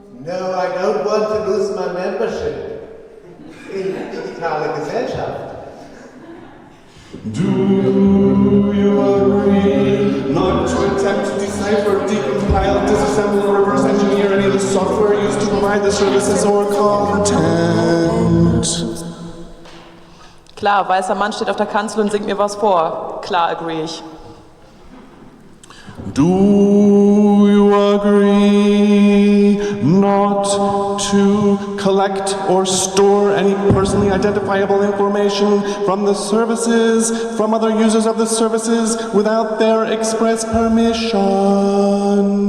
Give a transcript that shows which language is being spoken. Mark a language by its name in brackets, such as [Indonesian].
[English] No, I don't want to lose my membership in the Digitale Gesellschaft. Do you agree not to attempt to decipher, decompile, disassemble, or reverse engineer any of the software used to provide the services or content? [German] Klar, weißer Mann steht auf der Kanzel und singt mir was vor. Klar, agree ich. [English] Do you agree not to collect or store any personally identifiable information from the services, from other users of the services, without their express permission?